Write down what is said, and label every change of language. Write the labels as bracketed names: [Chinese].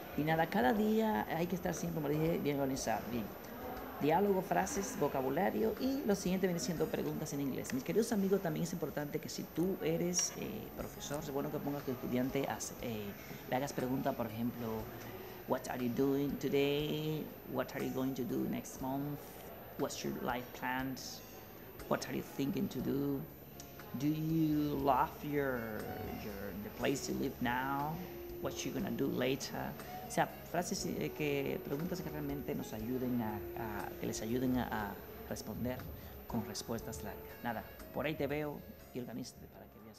[Spanish] Y nada, cada día hay que estar siempre, como dije, bien organizado. Bien. Diálogo, frases, vocabulario y lo siguiente viene siendo preguntas en inglés. Mis queridos amigos, también es importante que si tú eres profesor, es bueno que pongas a tu estudiante, le hagas preguntas, por ejemplo, [English] what are you doing today? What are you going to do next month? What's your life plans? What are you thinking to do? Do you love the place you live now? What you gonna do later? [Spanish] O sea, frases que preguntas que realmente nos ayuden a responder con respuestas largas. Nada, por ahí te veo y organízate para que.